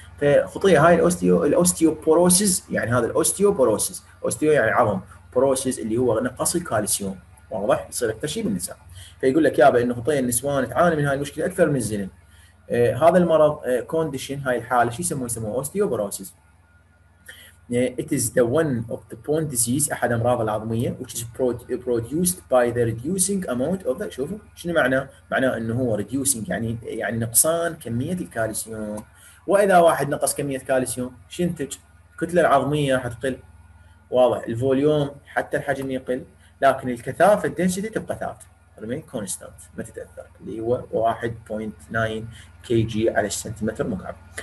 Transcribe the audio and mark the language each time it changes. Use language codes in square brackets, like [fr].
[ar] فخطيه هاي الاوستيوبروسيس، يعني هذا الاوستيوبروسيس، اوستيو يعني عظم، بروسيس اللي هو نقص الكالسيوم، واضح؟ يصير اكثر شيء بالنساء. فيقول لك يابا انه خطيه النسوان تعاني من هاي المشكله اكثر من الزلم. هذا المرض كونديشن هاي الحاله شو يسموه اوستيوبروسيس. [en] It is the one of the bone disease، [ar] أحد أمراض العظمية، [en] which is produced by the reducing amount of the، [ar] شوفوا شنو معناه؟ معناه أنه هو [en] reducing [ar] يعني نقصان كمية الكالسيوم. وإذا واحد نقص كمية كالسيوم شو ينتج؟ كتلة العظمية راح تقل، واضح؟ الفوليوم حتى الحجم يقل، لكن الكثافة الدنسيتي تبقى ثابتة. [en] remain constant [ar] ما تتأثر اللي هو 1.9 kg على السنتيمتر مكعب.